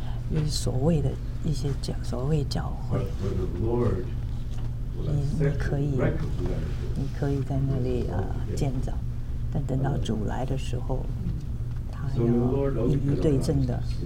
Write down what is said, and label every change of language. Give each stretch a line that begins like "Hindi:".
Chinese: 就是所谓的一些教，所谓教会。
English: But when the Lord will accept and recognize it,
Chinese: 你可以在那里啊建造，但等到主来的时候，他要一一对证的。